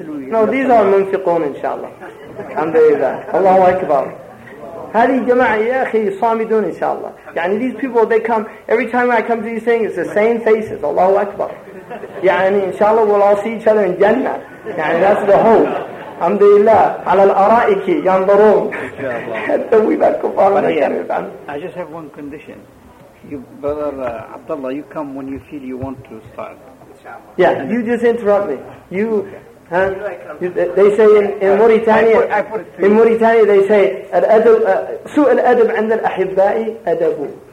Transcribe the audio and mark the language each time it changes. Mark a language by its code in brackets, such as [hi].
[en] No, these are munfiqun, inshallah. Alhamdulillah. Allahu Akbar. [ar] هذه جماعة يا أخي صامدون إن شاء الله. [en] يعني these people, they come, every time I come to these things, it's the same faces. Allahu Akbar. يعني [ar] إن شاء الله [en] we'll all see each other in Jannah. يعني that's the hope. [ar] الحمد لله على الأرائك ينظرون حتى ويبقى كفار [en] I just have one condition. You, brother Abdullah, you come when you feel you want to start. Yeah, you just interrupt me. You, okay. Huh? You, they say in Mauritania, in Mauritania they say, [ar] سوء الأدب عند الأحباء أدب.